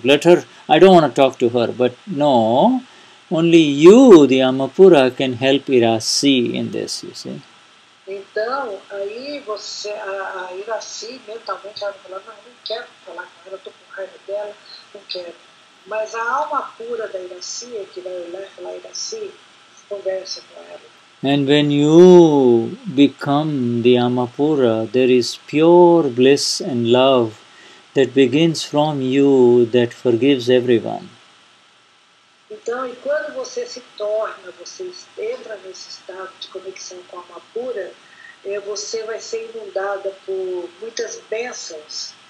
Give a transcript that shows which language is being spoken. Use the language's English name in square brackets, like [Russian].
[English] Let her, I don't want to talk to her. But no, only you, the Amapura, can help Irasi in this, you see. [Portuguese] Então, aí você, a Irasi mentalmente, ela fala, não, não quero falar com ela, estou com raiva dela, não quero. Mas a alma pura da Irasi, que vai olhar pela Irasi, conversa com ela. [English] And when you become the Amapura, there is pure bliss and love that begins from you that forgives everyone. [Portuguese] Então, e quando você se torna, você entra nesse estado de conexão com a alma pura, você vai ser inundada por muitas bênçãos.